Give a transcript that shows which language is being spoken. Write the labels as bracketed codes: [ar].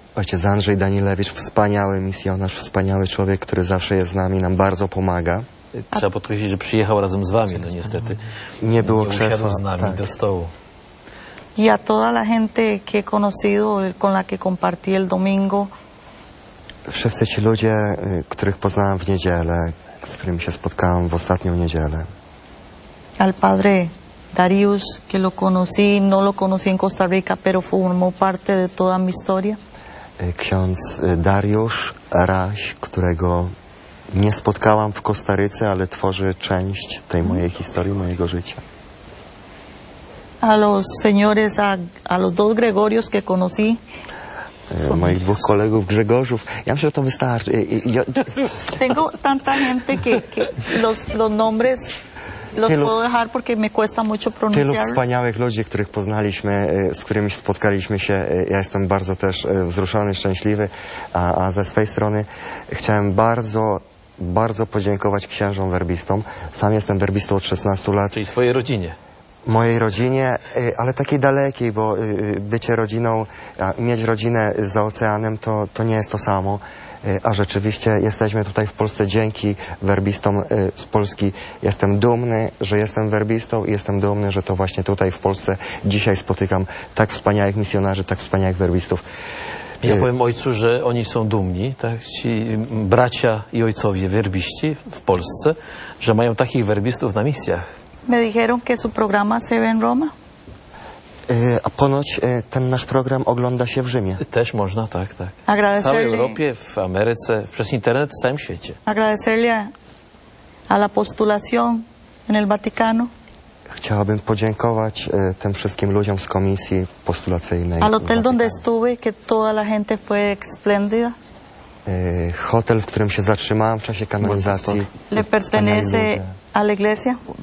[pl] Ojciec Andrzej Danilewicz, wspaniały misjonarz, wspaniały człowiek, który zawsze jest z nami, nam bardzo pomaga. Trzeba podkreślić, że przyjechał razem z wami, no niestety. Nie było krzesła. Nie usiadł z nami do stołu. [es] Y a toda la gente que he conocido, con la que compartí el domingo. [pl] Wszyscy ci ludzie, których poznałem w niedzielę, z którymi się spotkałem w ostatnią niedzielę. [es] Al padre Darius, que lo conocí, no lo conocí en Costa Rica, pero formó parte de toda mi historia. [pl] Ksiądz Dariusz Raś, którego nie spotkałam w Kostaryce, ale tworzy część tej mojej historii, mojego życia. [es] A los señores, a los dos Gregorios que conocí. [pl] Moich dwóch kolegów Grzegorzów. Ja myślę, że to wystarczy. [es] Tengo tanta gente que los nombres los puedo dejar porque me cuesta mucho pronunciar. [pl] Tylu wspaniałych ludzi, których poznaliśmy, z którymi spotkaliśmy się. Ja jestem bardzo też wzruszony, szczęśliwy. A ze swej strony chciałem bardzo, bardzo podziękować księżom werbistom. Sam jestem werbistą od 16 lat. Czyli swojej rodzinie. Mojej rodzinie, ale takiej dalekiej, bo bycie rodziną, mieć rodzinę za oceanem, to nie jest to samo. A rzeczywiście jesteśmy tutaj w Polsce dzięki werbistom z Polski. Jestem dumny, że jestem werbistą i jestem dumny, że to właśnie tutaj w Polsce dzisiaj spotykam tak wspaniałych misjonarzy, tak wspaniałych werbistów. Ja powiem ojcu, że oni są dumni, tak? Ci bracia i ojcowie werbiści w Polsce, że mają takich werbistów na misjach. [es] Me dijeron que su programa se ve en Roma. [pl] A ponoć ten nasz program ogląda się w Rzymie. Też można, tak. W całej Europie, w Ameryce, przez internet, w całym świecie. [es] Agradecerle a la postulación en el Vaticano. [pl] Chciałabym podziękować tym wszystkim ludziom z komisji postulacyjnej. [es] Al hotel donde estuve, que toda la gente fue espléndida. [pl] Hotel, w którym się zatrzymałem w czasie kanonizacji. [es] Le pertenece a la iglesia.